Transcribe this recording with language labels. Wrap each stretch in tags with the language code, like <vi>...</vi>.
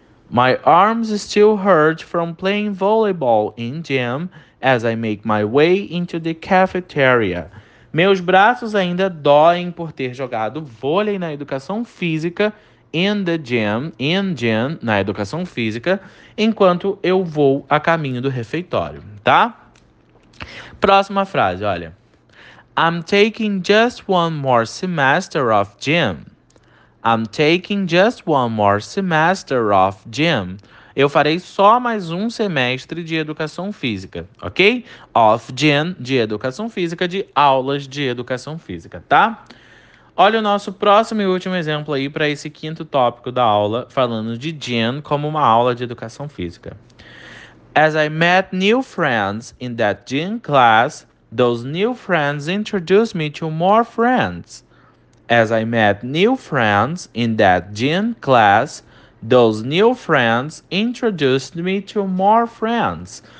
<en>My arms still hurt from playing volleyball in gym as I make my way into the cafeteria.</en> <pt>Meus braços ainda doem por ter jogado vôlei na educação física,</pt> <en>in gym,</en> <pt>na educação física, enquanto eu vou a caminho do refeitório, tá? Próxima frase, olha.</pt> <en>I'm taking just one more semester of gym. I'm taking just one more semester of gym.</en> <pt>Eu farei só mais um semestre de educação física, ok?</pt> <en>Of gym,</en> <pt>de educação física, de aulas de educação física, tá? Olha o nosso próximo e último exemplo aí para esse quinto tópico da aula, falando de gym como uma aula de educação física.</pt> <en>As I met new friends in that gym class, those new friends introduced me to more friends. As I met new friends in that gym class, those new friends introduced me to more friends.</en>